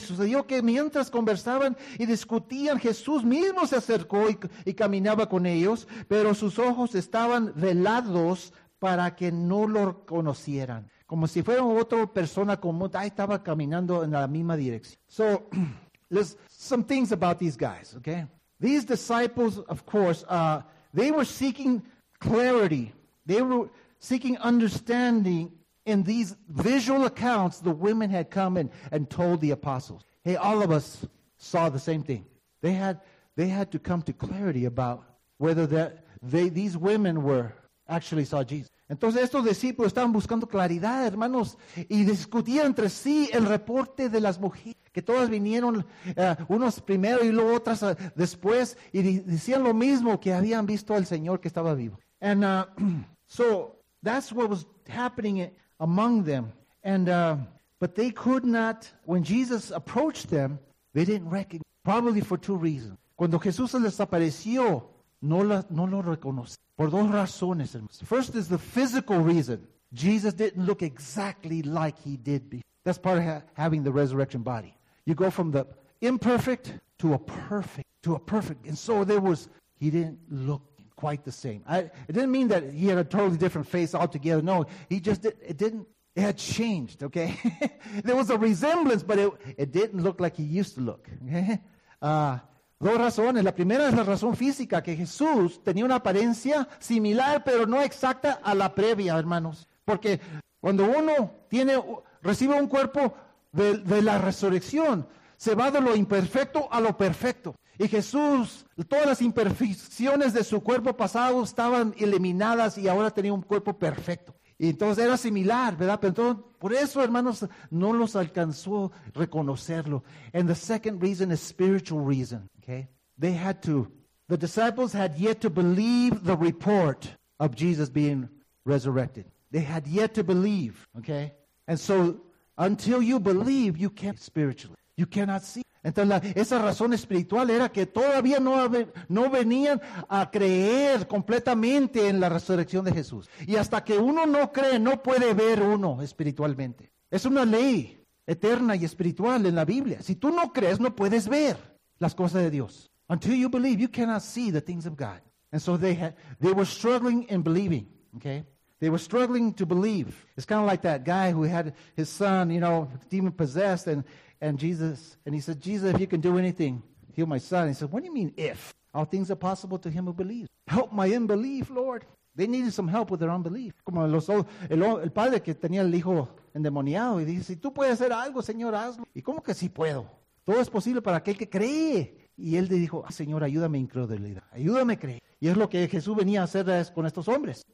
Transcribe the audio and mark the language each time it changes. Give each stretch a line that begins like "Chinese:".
Spanish: Y sucedió que mientras conversaban y discutían, Jesús mismo se acercó y caminaba con ellos, pero sus ojos estaban velados para que no lo conocieran. Como si fuera otra persona como ahí estaba caminando en la misma dirección.
English: So, there's some things about these guys, okay? These disciples, of course, they were seeking clarity. They were seeking understanding in these visual accounts the women had come and told the apostles. Hey, all of us saw the same thing. They had to come to clarity about whether these women were actually saw Jesus.
Spanish: Entonces estos discípulos estaban buscando claridad, hermanos, y discutían entre sí el reporte de las mujeres, que todas vinieron unos primero y luego otras después, y decían lo mismo, que habían visto al Señor que estaba vivo.
English: And so that's what was happening among them. And but they could not, when Jesus approached them, they didn't recognize, probably for two reasons.
Spanish: Cuando Jesús se les apareció, no lo reconoce. Por dos razones, hermanos.
English: First is the physical reason. Jesus didn't look exactly like he did before. That's part of having the resurrection body. You go from the imperfect to a perfect. And so he didn't look quite the same. It didn't mean that he had a totally different face altogether. No, he just it had changed, okay? There was a resemblance, but it didn't look like he used to look, okay?
Spanish: Dos razones. La primera es la razón física, que Jesús tenía una apariencia similar, pero no exacta a la previa, hermanos. Porque cuando uno recibe un cuerpo de la resurrección, se va de lo imperfecto a lo perfecto. Y Jesús, todas las imperfecciones de su cuerpo pasado estaban eliminadas y ahora tenía un cuerpo perfecto. Y entonces era similar, ¿verdad? Pero entonces, por eso, hermanos, no los alcanzó reconocerlo.
English: And the second reason is spiritual reason. Okay, the disciples had yet to believe the report of Jesus being resurrected. They had yet to believe, okay? And so, until you believe, you can't spiritually. You cannot see.
Spanish: Entonces, esa razón espiritual era que todavía no venían a creer completamente en la resurrección de Jesús. Y hasta que uno no cree, no puede ver uno espiritualmente. Es una ley eterna y espiritual en la Biblia. Si tú no crees, no puedes ver las cosas de Dios.
English: Until you believe, you cannot see the things of God. And so they were struggling in believing, okay? They were struggling to believe. It's kind of like that guy who had his son, you know, demon-possessed, and he said, Jesus, if you can do anything, heal my son. He said, what do you mean, if? All things are possible to him who believes. Help my unbelief, Lord. They needed some help with their unbelief.
Spanish: Como el padre que tenía el hijo endemoniado y dice, si tú puedes hacer algo, Señor, hazlo. ¿Y cómo que sí puedo? Todo es posible para aquel que cree. Y él le dijo, Señor, ayúdame a incredulidad. Ayúdame a creer. Y es lo que Jesús venía a hacer con estos hombres.